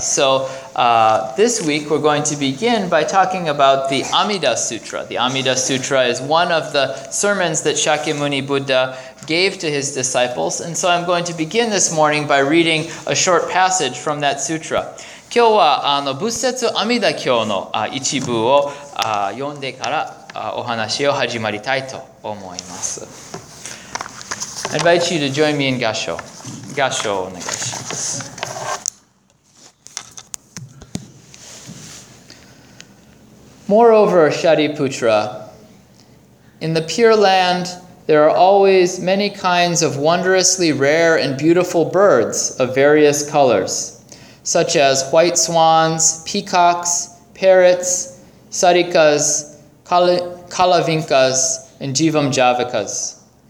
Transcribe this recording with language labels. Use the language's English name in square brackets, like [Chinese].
[English] So this week, we're going to begin by talking about the Amida Sutra. The Amida Sutra is one of the sermons that Shakyamuni Buddha gave to his disciples. And so I'm going to begin this morning by reading a short passage from that sutra. [Japanese] 今日は仏説阿弥陀経の一部を読んでからお話を始まりたいと思います。 [English] I invite you to join me in Gassho. [Japanese] Gassho をお願いします。 [English] Moreover, Shariputra, in the Pure Land, there are always many kinds of wondrously rare and beautiful birds of various colors, such as white swans, peacocks, parrots, sarikas, kalavinkas, and jivamjavakas.